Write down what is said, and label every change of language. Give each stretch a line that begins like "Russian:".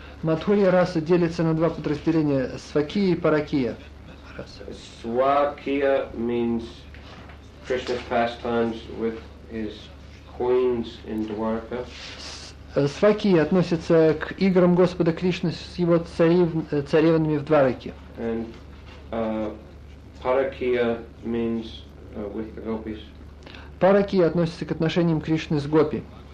Russian: Мадхурья раса делится на два подразделения: свакия и паракия.
English: Свакия means Krishna's pastimes with his queens in Dwarka.
Russian: Свакия относится к играм Господа Кришны с его царевнами в Двараке.
English: And паракия means with the gopis.
Russian: Паракия относится к отношениям Кришны с гопи.